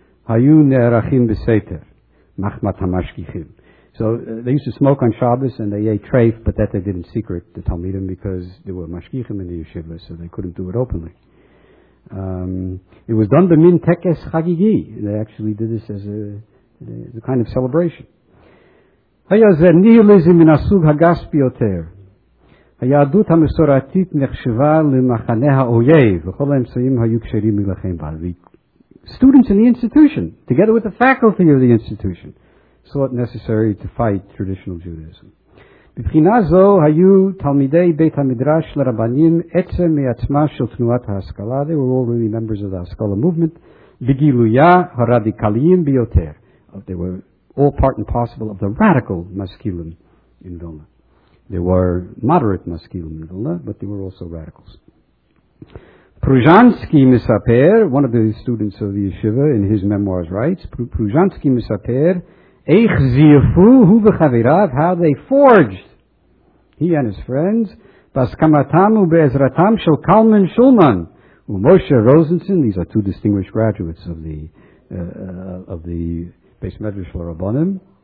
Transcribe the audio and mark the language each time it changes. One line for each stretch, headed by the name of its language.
English: So they used to smoke on Shabbos and they ate treif, but that they did in secret, the Talmidim, because there were mashgichim in the yeshiva, so they couldn't do it openly. It was done by
Hebrew: min tekes chagigi.
English: They actually did this as a the kind of celebration.
Hebrew: היה זה ניהיליזם מן הסוג הגס ביותר. היהדות המסורתית נחשבה למחנה האויב, וכל האמצעים היו קשרים מלחם בעלוי.
English: Students in the institution, together with the faculty of the institution, saw it necessary to fight traditional Judaism.
Hebrew: בבחינה זו היו תלמידי בית המדרש לרבנים עצם מעצמה של תנועת ההשכלה,
English: they were already members of the Haskalah movement,
Hebrew: בגילויה הרדיקליים ביותר.
English: They were all part and parcel of the radical maskilim in Vilna. They were moderate maskilim in Vilna, but they were also radicals. Pruzhansky Misaper, one of the students of the yeshiva, in his memoirs writes, Pruzhansky Misaper,
Hebrew: Eich Ziyafu Hu V'Chavirav,
English: how they forged, he and his friends,
Hebrew: Baskamatam U'Be'ezratam Shel
English: Kalman Shulman, U'Moshe Rosenson, these are two distinguished graduates of the Beis Medrash L'Rabbanim.